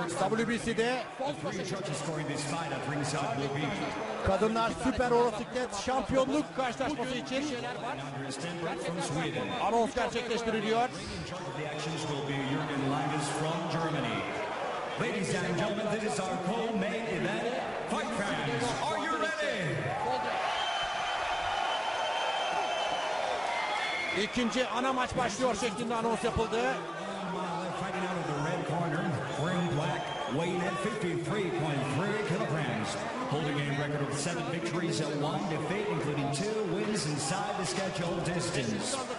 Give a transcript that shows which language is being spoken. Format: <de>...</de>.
<tr>WBC'de kadınlar süper olasılıklet şampiyonluk karşılaşması için anons gerçekleştiriliyor.</tr> <en>Ladies and gentlemen, this is our co-main event. Fight fans, are you ready?</en> <tr>İkinci ana maç başlıyor şeklinde anons yapıldı.</tr> <en>Fighting out of the red corner, wearing black, weighing at 53.3 kilograms, holding a record of 7 victories and 1 defeat, including 2 wins inside the scheduled distance.</en>